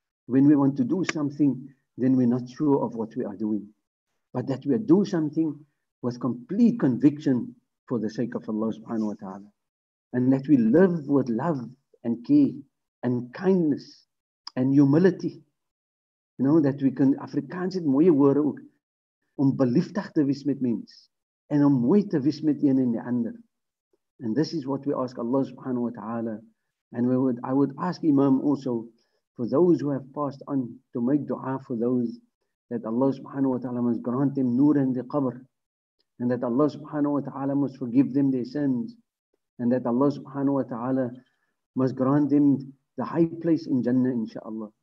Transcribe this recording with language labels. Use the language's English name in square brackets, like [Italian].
[English] When we want to do something, then we're not sure of what we are doing. But that we do something with complete conviction for the sake of Allah subhanahu wa ta'ala. And that we live with love and care and kindness and humility. You know, that we can, [Afrikaans] Afrikaans het mooie woorde ook, om beliefdig te wees met mens en om mooi te wees met een en die ander. [English] And this is what we ask Allah subhanahu wa ta'ala. And I would ask Imam also, for those who have passed on, to make dua for those that Allah subhanahu wa ta'ala must grant them nur in the qabr, and that Allah subhanahu wa ta'ala must forgive them their sins, and that Allah subhanahu wa ta'ala must grant them the high place in Jannah, inshaAllah.